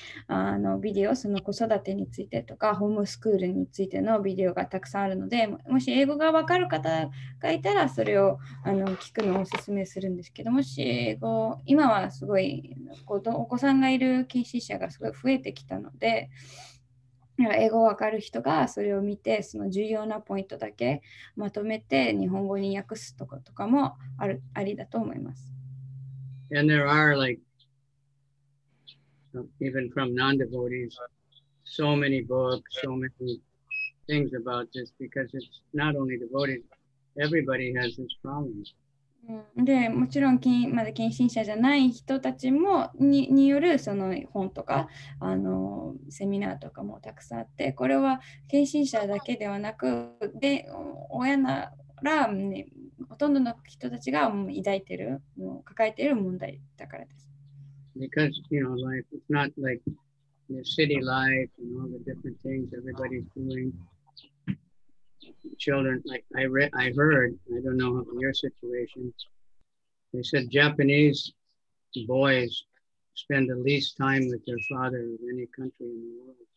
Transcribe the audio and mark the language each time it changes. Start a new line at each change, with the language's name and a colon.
Japanese: のビデオ、その子育てについてとかホームスクールについてのビデオがたくさんあるので、もし英語がわかる方がいたらそれを聞くのをおすすめするんですけど、もし英語、今はすごいお子さんがいる近親者がすごい増えてきたので、英語わかる人がそれを見て、その重要なポイントだけまとめて日本語に訳すとかもありだと思います。
English: And there are like, even from non-devotees, so many books, so many things about this, because it's not only devotees, everybody has this problem.
Japanese: でもちろん、まだ献身者じゃない人たちも によるその本とかセミナーとかもたくさんあって、これは献身者だけではなく、で親なら、ね、ほとんどの人たちが抱いている、抱えている問題だからです。
English: Because, you know, life is not like the city life and all the different things everybody's doing. Children, like I heard, I don't know how your situation, they said Japanese boys spend the least time with their father in any country in the world.